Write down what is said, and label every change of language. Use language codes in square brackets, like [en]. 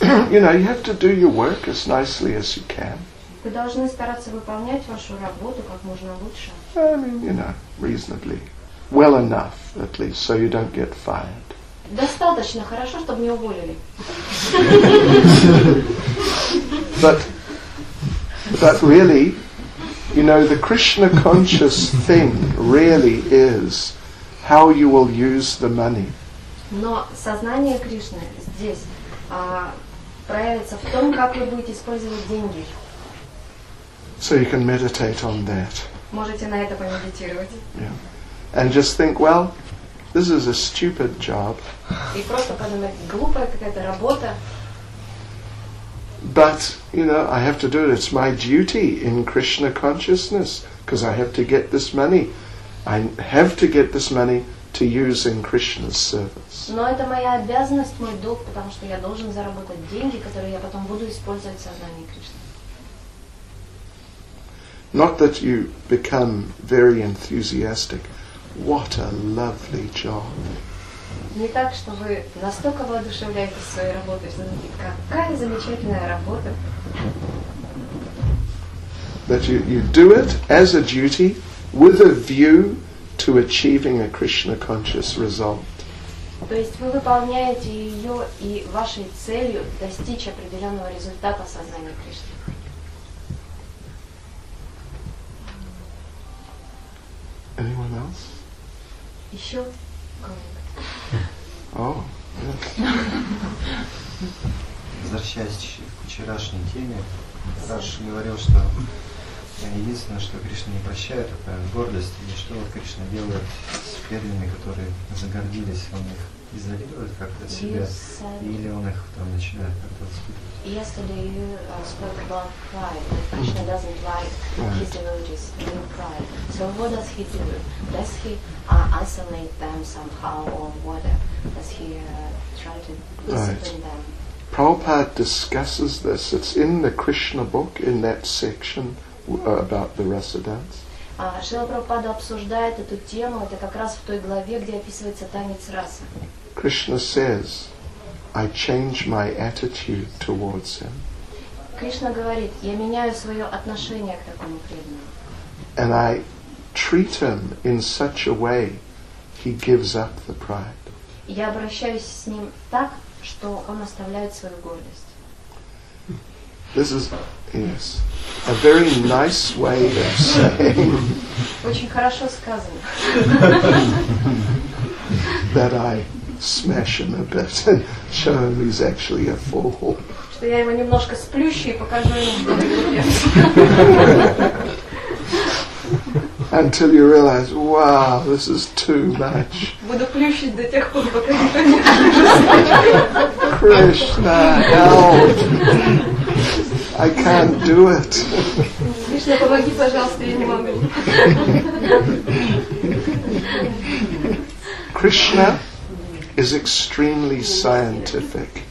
[en] You know, you have to do your work as nicely as you can. [ru] Вы должны стараться выполнять вашу работу как можно лучше. [en] I mean, you know, reasonably. Well enough, at least, so you don't get fired. [ru] Достаточно хорошо, чтобы не уволили. [en] But really, you know, the Krishna conscious thing really is how you will use the money. [ru] Но сознание Кришны здесь проявится в том, как вы будете использовать деньги. [en] So you can meditate on that. [ru] Можете на это помедитировать. [en] Yeah. And just think, well, this is a stupid job. [ru] И просто подумать, глупая какая-то работа. [en] But, you know, I have to do it. It's my duty in Krishna consciousness, because I have to get this money. I have to get this money to use in Krishna's service. [ru] Но это моя обязанность, мой долг, потому что я должен заработать деньги, которые я потом буду использовать в сознании Кришны. [en] Not that you become very enthusiastic. What a lovely job. [ru] Не так, что вы настолько воодушевляетесь своей работой, что знаете, какая замечательная работа. [en] That you do it as a duty with a view to achieving a Krishna conscious result. [ru] То есть вы выполняете ее и вашей целью достичь определенного результата сознания Кришны. [en] Anyone else? [ru] Еще? [en] Oh, yes. [ru] Возвращаясь к вчерашней теме, Раш говорил, что единственное, что Кришна не прощает, это гордость. И что вот Кришна делает с преданными, которые загордились, он их изолирует как-то от себя? Или он их там начинает как-то воспитывать? [en] Yesterday you spoke about pride, that Krishna doesn't like his devotees, real pride. So what does he do? Does he isolate them somehow or what? Does he try to discipline them? Prabhupada discusses this. It's in the Krishna book, in that section about the rasa dance. [ru] Шрила Прабхупада обсуждает эту тему, это как раз в той главе, где описывается танец расы. [en] Krishna says, I change my attitude towards him. [ru] Кришна говорит, я меняю свое отношение к такому преданному. [en] And I treat him in such a way, he gives up the pride. [ru] Я обращаюсь с ним так, что он оставляет свою гордость. [en] This is, yes, a very nice way of saying [ru] очень хорошо сказано. [en] That I smash him a bit and show him he's actually a fool. [ru] Что я его немножко сплющу и покажу ему, что он глупец. [en] Until you realize, wow, this is too much. [ru] Буду плющить до тех пор, пока не понимаю. [en] Krishna, help! I can't do it. [ru] Кришна, помоги, пожалуйста, я не могу. [en] Krishna is extremely scientific.